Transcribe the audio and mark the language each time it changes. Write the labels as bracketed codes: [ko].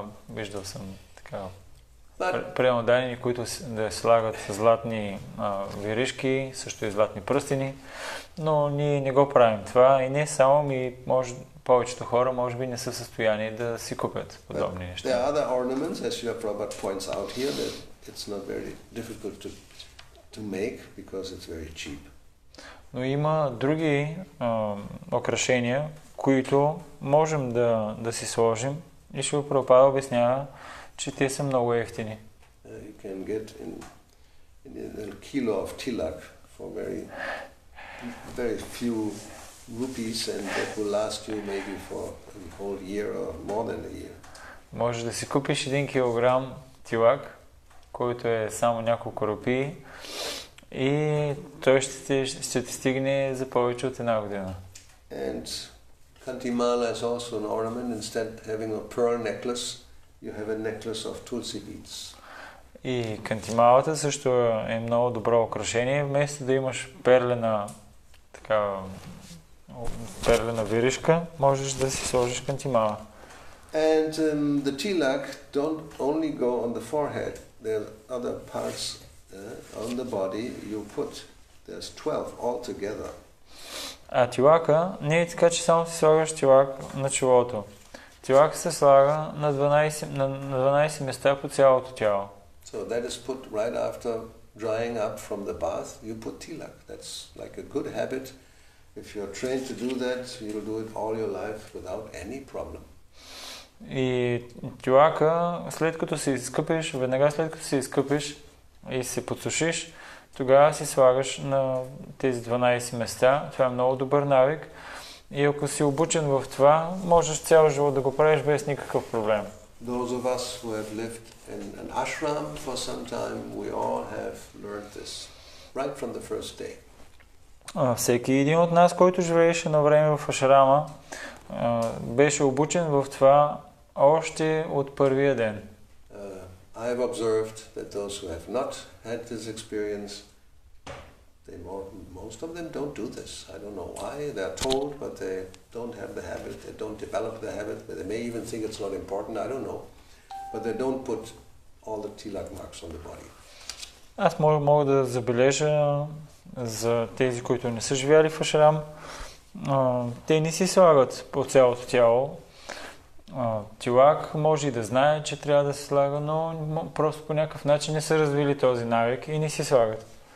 [bg] Виждал съм така. Преодани, които да слагат златни веришки, също и златни пръстени, но ние не го правим това и не само ми, може, повечето хора може би не са в състояние да си купят подобни неща. [en] There are other ornaments, as Srila Prabhupada points out here, that it's not very difficult to make because it's very cheap. [bg] Но има други украшения, които можем да си сложим и Шрила Прабхупада обяснява, че те са много евтини. [en] You can get in a kilo of tilak for very very few rupees and that will last you maybe for a whole year or more than a year. [bg] Може да си купиш 1 килограм тилак, който е само няколко рупии и той ще ти стигне за повече от една година. [en] And Kantimala is also an ornament. Instead of having a pearl necklace, you have a necklace of tulsi beads. [bg] И кантималата също е много добро украшение. Вместо да имаш перлена виришка, можеш да си сложиш кантимала. [en] And the tilak don't only go on the forehead. There are other parts on the body you put. There's 12 altogether. [bg] А тилака не е така, че само си слагаш тилак на челото. Тилак се слага на 12 места по цялото тяло. [en] So that is put right after drying up from the bath, you put tilak. That's like a good habit. If you're trained to do that, you'll do it all your life without any problem. [bg] И тилака, след като се изкъпиш, веднага след като се изкъпиш и се подсушиш, тогава си слагаш на тези 12 места. Това е много добър навик. И ако си обучен в това, можеш цял живот да го правиш без никакъв проблем. [en] Those of us who have lived in an ashram for some time, we all have learned this right from the first day. [bg] Всеки един от нас, който живееше на време в ашрама, беше обучен в това още от първия ден. [en] I have observed that those who have not had this experience, most of them don't do this. I don't know why. They are told, but they don't have the habit. They don't develop the habit. They may even think it's not important. I don't know. But they don't put all the tilak marks on the body. [bg] Аз мога да забележа за тези, които не са живяли в ашрам, те не си слагат по цялото тяло. Тилак може и да знае, че трябва да се слага, но просто по някакъв начин не са развили този навик и не си слагат.